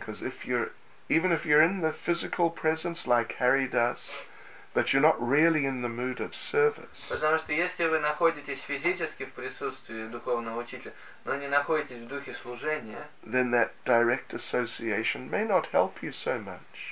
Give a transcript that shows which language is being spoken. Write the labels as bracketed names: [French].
[English] Because if you're, even if you're in the physical presence like Haridas, but you're not really in the mood of service. [Russian] Потому что если вы находитесь физически в присутствии духовного учителя, но не находитесь в духе служения, [English] then that direct association may not help you so much.